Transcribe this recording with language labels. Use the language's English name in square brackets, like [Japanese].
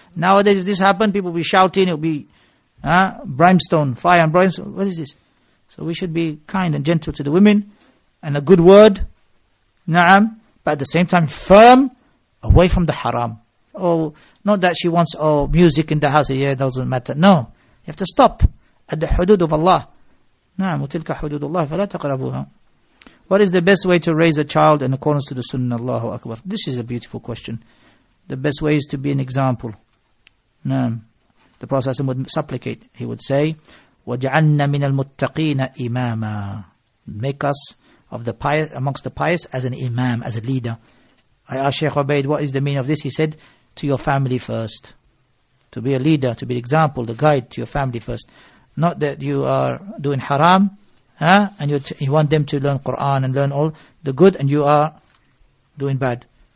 [English] Nowadays, if this happened, people will be shouting, it'll be brimstone, fire and brimstone. What is this? So we should be kind and gentle to the women, and a good word, na'am, but at the same time, firm, away from the haram. Oh, not that she wants music in the house, yeah, it doesn't matter. No, you have to stop at the hudud of Allah. [Arabic] Na'am, وَتِلْكَ حُدُودُ اللَّهِ فَلَا تَقْرَبُوهَا. [English] What is the best way to raise a child in accordance to the sunnah? Allahu Akbar. This is a beautiful question. The best way is to be an example. Naam. The Prophet would supplicate. He would say, [Arabic] وَجَعَلْنَا مِنَ الْمُتَّقِينَ إِمَامًا. [English] Make us of the pious, amongst the pious, as an imam, as a leader. I asked Shaykh Ubaid, what is the meaning of this? He said, to your family first. To be a leader, to be an example, the guide to your family first. Not that you are doing haram, and you want them to learn Quran and learn all the good, and you are doing bad.